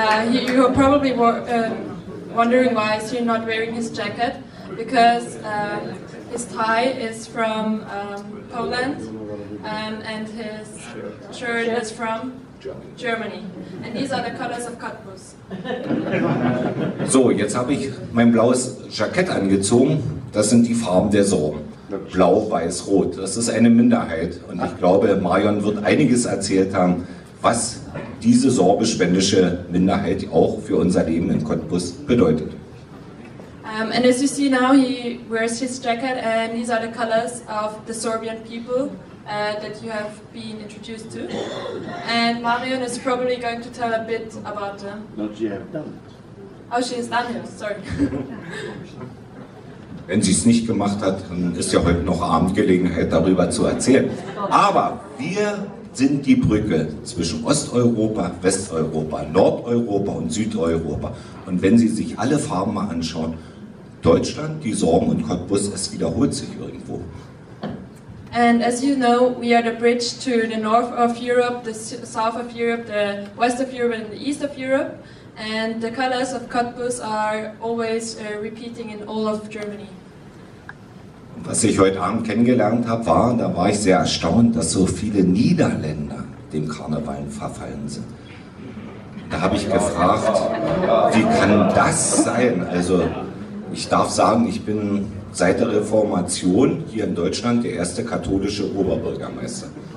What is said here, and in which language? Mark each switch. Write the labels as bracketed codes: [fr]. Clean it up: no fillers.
[en] You're probably wondering why is he not wearing his jacket. Because his tie is from Poland. And his shirt is from Germany. And these are the colors of Cottbus. [de] So, jetzt habe ich mein blaues Jackett angezogen. Das sind die Farben der Sorgen. Blau, weiß, rot. Das ist eine Minderheit. Und ich glaube, Marion wird einiges erzählt haben, was diese sorbisch-wendische Minderheit auch für unser Leben in Cottbus bedeutet. [en] And as you see now, he wears his jacket and these are the colors of the Sorbian people. That you have been introduced to. And Marion is probably going to tell a bit about them. Not yet. Oh, she has done it, sorry. [de] Wenn sie es nicht gemacht hat, dann ist ja heute noch Abendgelegenheit, darüber zu erzählen. Aber wir sind die Brücke zwischen Osteuropa, Westeuropa, Nordeuropa und Südeuropa. Und wenn Sie sich alle Farben mal anschauen, Deutschland, die Sorben und Cottbus, es wiederholt sich irgendwo. [en] And as you know, we are the bridge to the north of Europe, the south of Europe, the west of Europe and the east of Europe. And the colors of Cottbus are always repeating in all of Germany. [de] Was ich heute Abend kennengelernt habe, war, da war ich sehr erstaunt, dass so viele Niederländer dem Karneval verfallen sind. Da habe ich gefragt, wie kann das sein? Also ich darf sagen, ich bin seit der Reformation hier in Deutschland der erste katholische Oberbürgermeister.